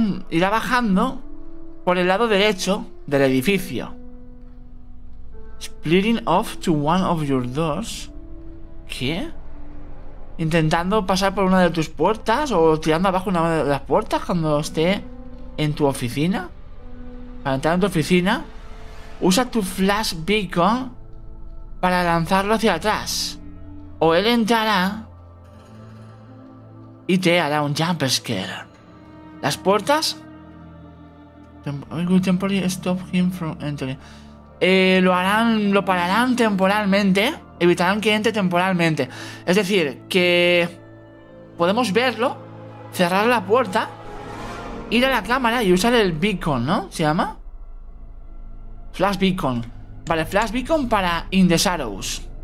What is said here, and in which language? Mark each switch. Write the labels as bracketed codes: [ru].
[es] Irá bajando por el lado derecho del edificio. [en] Splitting off to one of your doors. [es] ¿Qué? Intentando pasar por una de tus puertas o tirando abajo una de las puertas cuando esté en tu oficina. Para entrar en tu oficina, usa tu flash beacon para lanzarlo hacia atrás. O él entrará y te hará un jump scare. Las puertas. [en] Temporary stop him from entering. [es] Lo harán, lo pararán temporalmente. Evitarán que entre temporalmente. Es decir, que podemos verlo, cerrar la puerta, ir a la cámara y usar el beacon, ¿no? ¿Se llama? Flash beacon. Vale, flash beacon para In the Shadows.